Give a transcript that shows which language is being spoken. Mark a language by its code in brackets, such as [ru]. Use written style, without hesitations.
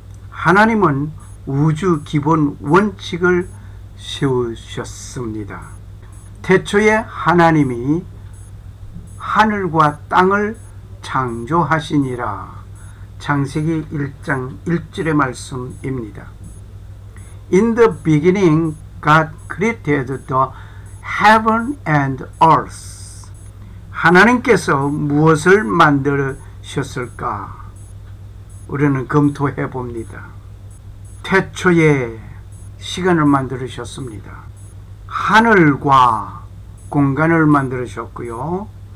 [ko] 하나님은 우주 기본 원칙을 세우셨습니다. 태초에 하나님이 하늘과 땅을 창조하시니라. 창세기 1장 1절의 말씀입니다. [en] In the beginning, God created the heaven and earth. [ko] 하나님께서 무엇을 만드셨을까? 우리는 검토해 봅니다. 태초에 시간을 만드셨습니다. 하늘과 공간을 만드셨고요.